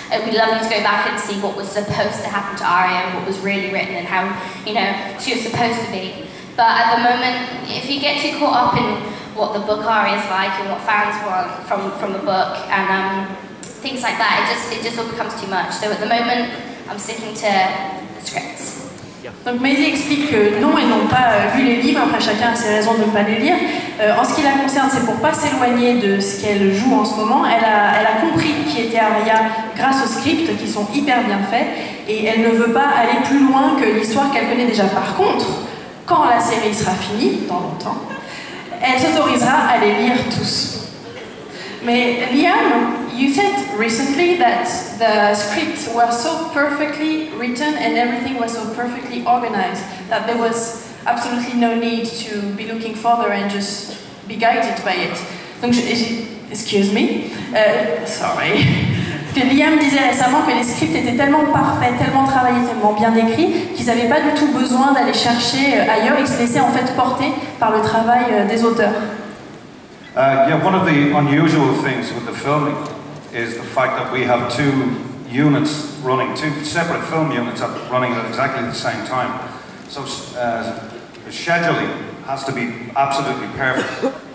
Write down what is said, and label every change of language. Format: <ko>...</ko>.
<en>I would love you to go back and see what was supposed to happen to Arya and what was really written and how, you know, she was supposed to be. But at the moment, if you get too caught up in what the book Arya is like and what fans want from the book and things like that, it just all becomes too much. So at the moment, I'm sticking to the scripts.</en> <fr>Donc Maisie explique que non, ils n'ont pas lu les livres, après chacun a ses raisons de ne pas les lire. En ce qui la concerne, c'est pour ne pas s'éloigner de ce qu'elle joue en ce moment. Elle a compris qui était Arya grâce aux scripts, qui sont hyper bien faits, et elle ne veut pas aller plus loin que l'histoire qu'elle connaît déjà. Par contre, quand la série sera finie, dans longtemps, elle s'autorisera à les lire tous.</fr> <en>Mais Liam, you said recently that the scripts were so perfectly written and everything was so perfectly organized that there was absolutely no need to be looking further and just be guided by it.</en> <fr>Donc, Liam disait récemment que les scripts étaient tellement parfaits, tellement travaillés, tellement bien écrits qu'ils n'avaient pas du tout besoin d'aller chercher ailleurs. Ils se laissaient en fait porter par le travail des auteurs.</fr> <en>One of the unusual things with the filming is the fact that we have two units running, two separate film units up running at exactly the same time. So the scheduling has to be absolutely perfect.</en>